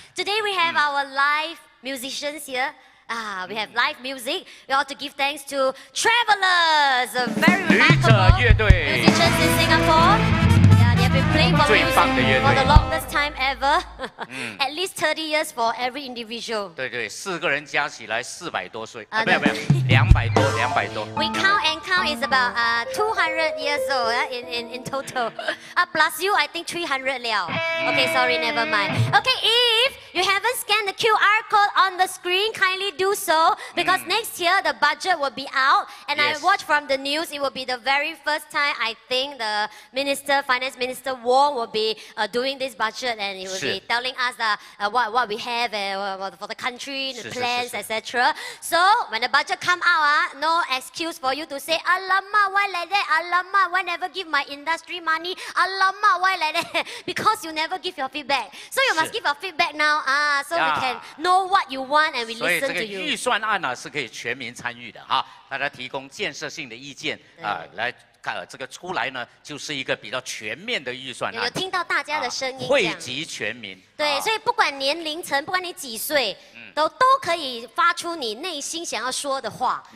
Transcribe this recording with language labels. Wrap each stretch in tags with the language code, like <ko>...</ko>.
<en>Today we have our live musicians here. We have live music. We ought to give thanks to Travelers, a very remarkable musicians in Singapore. Been playing for music for the longest time ever. At least 30 years for every individual.</en> <zh>对对，四个人加起来四百多岁。啊，没有没有，两百多。</zh> <en>We count and count is about 200 years old in total. Plus you, I think 300 now. Okay, sorry, never mind. Okay, if you haven't scanned the QR code on the screen, kindly do so because next year the budget will be out. And yes. I watch from the news, it will be the very first time I think the minister, finance minister. Mr. Wong will be doing this budget and he will be telling us what we have for the country, the plans, etc. So when the budget come out, no excuse for you to say, Alama, why like that? Alama, why never give my industry money? Alama, why like that? Because you never give your feedback. So you must give your feedback now, so we can know what you want and we listen to you.</en> <zh>所以这个预算案是可以全民参与的，大家提供建设性的意见来。这个出来呢就是一个比较全面的预算有听到大家的声音汇集全民对所以不管年龄层不管你几岁都可以发出你内心想要说的话。</zh>